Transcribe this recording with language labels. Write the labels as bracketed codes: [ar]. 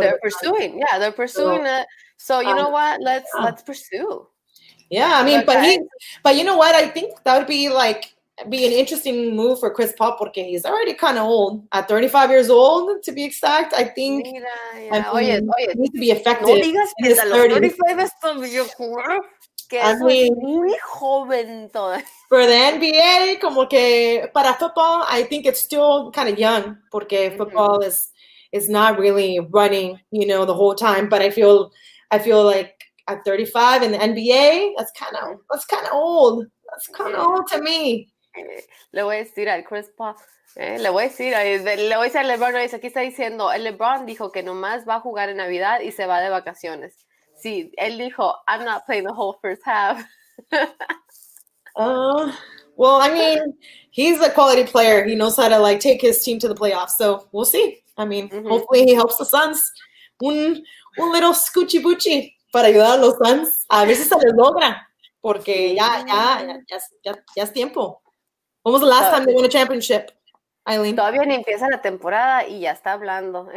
[en] They're pursuing. Yeah, they're pursuing it. So you know what? Let's pursue. Yeah, I mean, but you know what? I think that would be an interesting move for Chris Paul because he's already kind of old at 35 years old, to be exact. I think he needs to be affected. [es] No digas que a los 35 es tan viejo. [en] For the NBA, [es] como que para [en] football, I think it's still kind of young [es] porque [en] football is not really running, you know, the whole time. But I feel like at 35 in the NBA, that's kind of old to me. [es] Le voy a decir al Chris Paul. Le voy a decir a LeBron. Aquí está diciendo, el LeBron dijo que nomás va a jugar en Navidad y se va de vacaciones. Sí, él dijo, [en] I'm not playing the whole first half. Well, I mean, he's a quality player. He knows how to, like, take his team to the playoffs. So, we'll see. I mean, hopefully he helps the Suns. [es] Un [en] little scoochie-boochie [es] para ayudar a los Suns. A ver si se les logra. Porque ya es tiempo. [en] When was the last time they won a championship, Eileen? [es] Todavía ni empieza la temporada y ya está hablando.